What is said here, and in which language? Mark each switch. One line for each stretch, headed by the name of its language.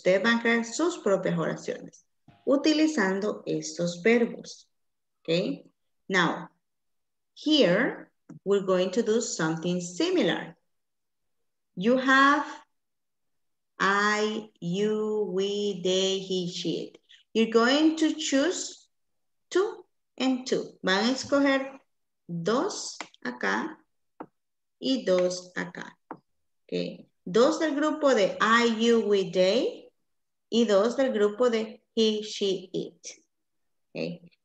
Spanish: Ustedes van a crear sus propias oraciones utilizando estos verbos, okay?
English: Now, here, we're going to do something similar. You have I, you, we, they, he, she, it. You're going to choose two and two.
Spanish: Van a escoger dos acá y dos acá. Okay. Dos del grupo de
English: I, you, we, they
Spanish: y dos del grupo de
English: he, she, it.
Spanish: Okay.